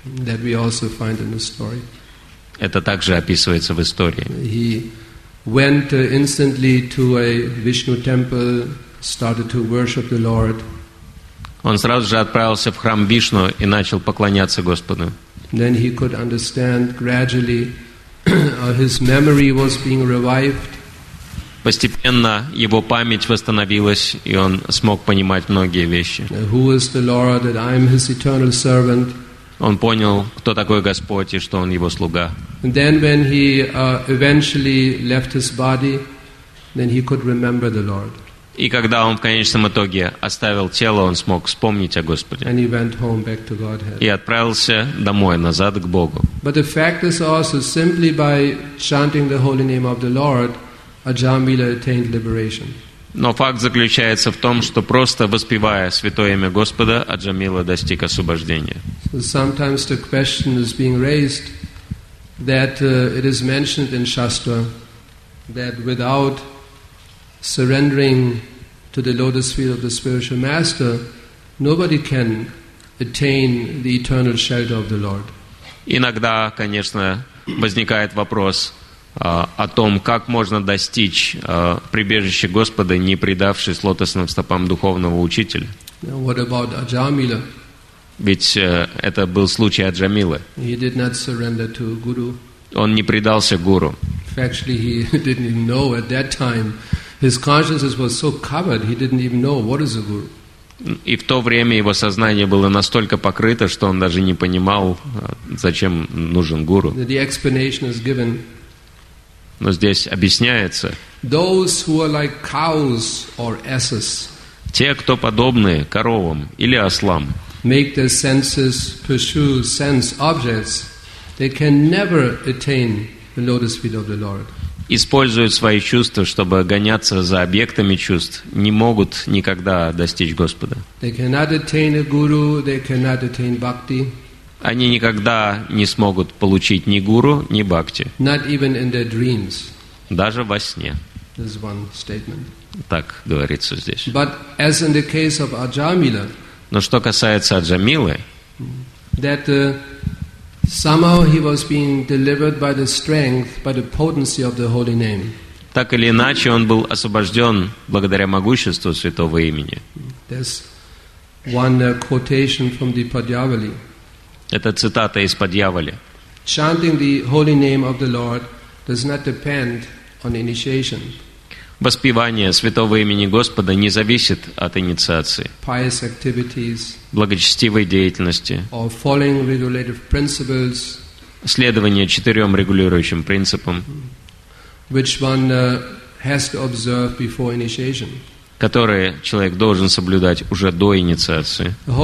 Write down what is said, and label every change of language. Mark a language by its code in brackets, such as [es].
[en] That we also find in the story. [ru] Это также описывается в истории. [en] He went instantly to a Vishnu temple, started to worship the Lord. [ru] Он сразу же отправился в храм Вишну и начал поклоняться Господу. [en] Then he could understand gradually his memory was being revived. [ru] Постепенно его память восстановилась, и он смог понимать многие вещи. [en] Who is the Lord, that I am his eternal servant? [ru] Он понял, кто такой Господь и что он его слуга. [en] And then when he eventually left his body, then he could remember the Lord. [ru] И когда он в конечном итоге оставил тело, он смог вспомнить о Господе. [en] And he went home back to Godhead. [ru] И отправился домой, назад к Богу. [en] But the fact is also simply by chanting the holy name of the Lord, Аджамила attained liberation. [ru] Но факт заключается в том, что просто воспевая святое имя Господа, Аджамила достиг освобождения. [en] So sometimes the question is being raised that it is mentioned in Shastra that without surrendering to the lotus feet of the spiritual master, nobody can attain the eternal shelter of the Lord. [ru] Иногда, конечно, возникает вопрос о том, как можно достичь прибежища Господа, не предавшись лотосным стопам духовного учителя. [en] Now, what about Аджамила? [ru] Ведь это был случай Аджамилы. [en] He did not surrender to Guru. [ru] Он не предался Гуру. [en] Actually, he didn't even know at that time. His consciousness was so covered, he didn't even know what is a guru. [ru] И в то время его сознание было настолько покрыто, что он даже не понимал, зачем нужен гуру. [en] The explanation is given. [ru] Но здесь объясняется. [en] Those who are like cows or asses. [ru] Те, кто подобны коровам или ослам. [en] Make their senses pursue sense objects. They can never attain the lotus feet of the Lord. [ru] Используют свои чувства, чтобы гоняться за объектами чувств, не могут никогда достичь Господа. [en] They cannot attain a guru, they cannot attain bhakti. [ru] Они никогда не смогут получить ни гуру, ни бхакти. [en] Not even in their dreams. [ru] Даже во сне. [en] This is one statement. [ru] Так говорится здесь. [en] But as in the case of Аджамила, [ru] но что касается Аджамилы, [en] that somehow he was being delivered by the strength, by the potency of the holy name. [ru] Так или иначе, он был освобожден благодаря могуществу святого имени. [en] There's one quotation from the Padyavali. [ru] Это цитата из Падьявали. [en] Chanting the holy name of the Lord does not depend on initiation. [ru] Воспевание святого имени Господа не зависит от инициации, [en] pious activities, [ru] благочестивой деятельности, [en] or following regulative principles, [ru] следование четырем регулирующим принципам, [en] which one has to observe before initiation. [ru] которые человек должен соблюдать уже до инициации.